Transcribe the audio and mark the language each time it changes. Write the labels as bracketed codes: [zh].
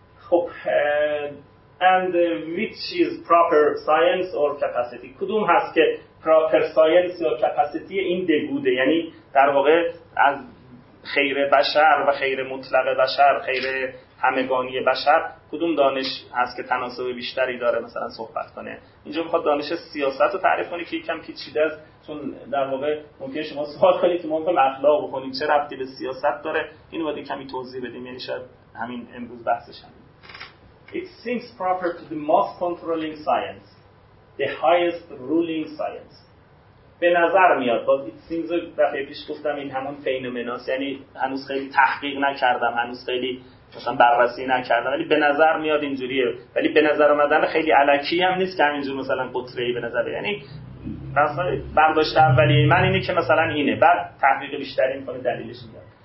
[fa] خب [en] and which is proper science or capacity، [fa] کدوم هست که proper science یا capacity این دگوده، یعنی در واقع از خیر بشر و خیر مطلق بشر، خیر همگانی بشر کدوم دانش هست که تناسب بیشتری داره مثلا صحبت کنه. اینجا میخواد دانش سیاست رو تعریف کنی که یکم پیچیده است، چون در واقع ممکنه شما سوال کنید که ما میخوایم اخلاق بخونیم چه ربطی به سیاست داره، اینو باید کمی توضیح بدیم، یعنی شاید همین امروز بحثش هم. [en] It seems proper to the most controlling science, the highest ruling science. [fa] به نظر میاد، باز it seems دفعه پیش گفتم این همون فینومناست، یعنی هنوز خیلی تحقیق نکردم، هنوز خیلی مثلا بررسی نکردم، ولی به نظر میاد اینجوریه، ولی به نظر اومدن خیلی علکی هم نیست که همینجور مثلا قطره‌ای به نظر، یعنی مثلا برداشت اولیه من اینه که مثلا اینه، بعد تحقیق بیشتر این کنه دلیلش میاد.